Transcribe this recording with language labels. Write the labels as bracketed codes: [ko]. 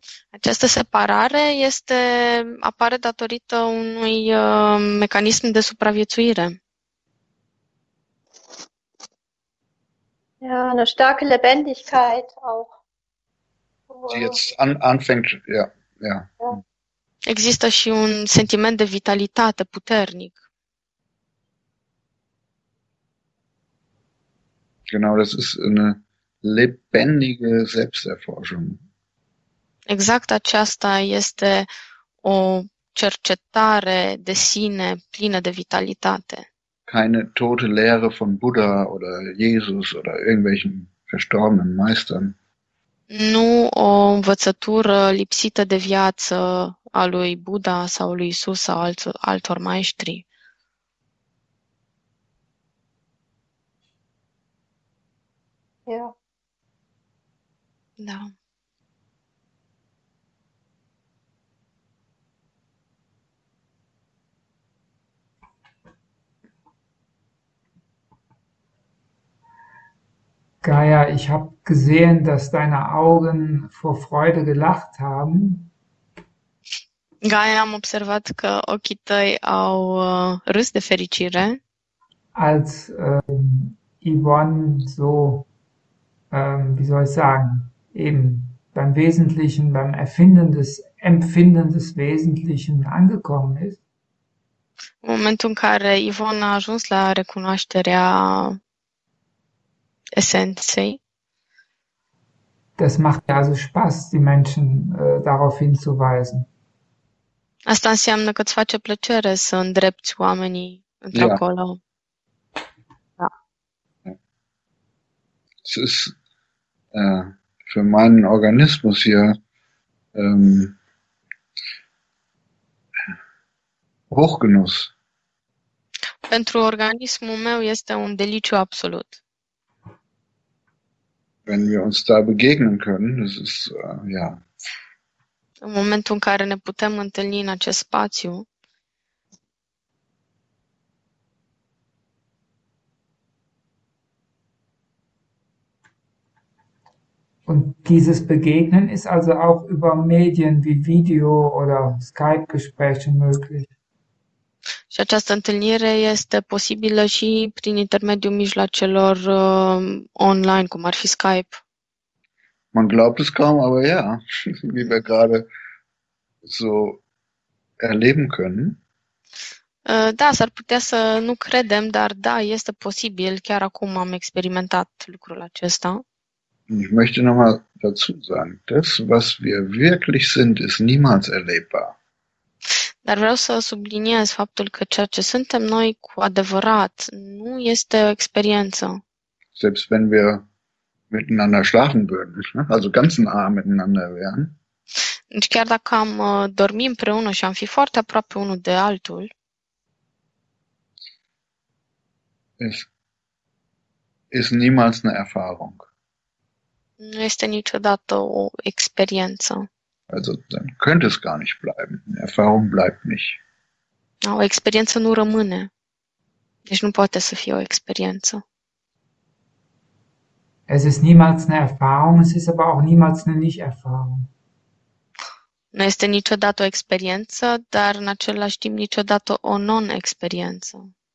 [ro] Această separare apare datorită unui mecanism de supraviețuire. [de] Ja, eine starke Lebendigkeit auch. Die jetzt anfängt, ja. [ro] Există și un sentiment de vitalitate puternic. [de] Genau, das ist eine lebendige Selbsterforschung. [ro] Exact aceasta este o cercetare de sine plină de vitalitate. [de] Keine tote Lehre von Buddha oder Jesus oder irgendwelchen verstorbenen Meistern. [ro] Nu o învățătură lipsită de viață a lui Buddha sau lui Isus sau altor maestri. [de] Ja. [ro] Da. [de] Gaia, ich habe gesehen, dass deine Augen vor Freude gelacht haben. [ro] Gaia, am observat că ochii tăi au râs de fericire. [de] Als Yvonne so, wie soll ich sagen, eben beim Wesentlichen, beim Erfinden des Empfinden des Wesentlichen angekommen ist. [ro] În momentul în care Ivon a ajuns la recunoașterea esenței, [de] Das macht ja also Spaß, die Menschen darauf hinzuweisen. [ro] asta înseamnă că îți face plăcere să îndrepți oamenii [de] Ja. [ro] într-acolo. [de] Es ist für meinen Organismus hier Hochgenuss. [ro] Pentru organismul meu este un deliciu absolut. [de] Wenn wir uns da begegnen können, das ist ja. [ro] În momentul în care ne putem întâlni în acest spațiu, [de] Und dieses Begegnen ist also auch über Medien wie Video oder Skype-Gespräche möglich. [ro] și această întâlnire este posibilă și prin intermediul mijloacelor online, cum ar fi Skype. [de] Man glaubt es kaum, aber ja, wie wir gerade so erleben können. [ro] Da, s-ar putea să nu credem, dar da, este posibil. Chiar acum am experimentat lucrul acesta. [de] Ich möchte nochmal dazu sagen, das, was wir wirklich sind, ist niemals erlebbar. [ro] Dar vreau să subliniez faptul că ceea ce suntem noi cu adevărat nu este o experiență. [de] Selbst wenn wir miteinander schlafen würden, also ganz nah miteinander wären. [ro] Deci chiar dacă am dormi împreună și am fi foarte aproape unul de altul, [de] Es ist niemals eine Erfahrung. [ro] nu este niciodată o experiență. [de] Also dann könnte es gar nicht bleiben. Eine Erfahrung bleibt nicht. [ro] O experiență nu rămâne. Deci nu poate să fie o experiență. [de] Es ist niemals eine Erfahrung, es ist aber auch niemals eine Nicht-Erfahrung. [ro] Nu este niciodată o experiență, dar în același timp niciodată o non-experiență.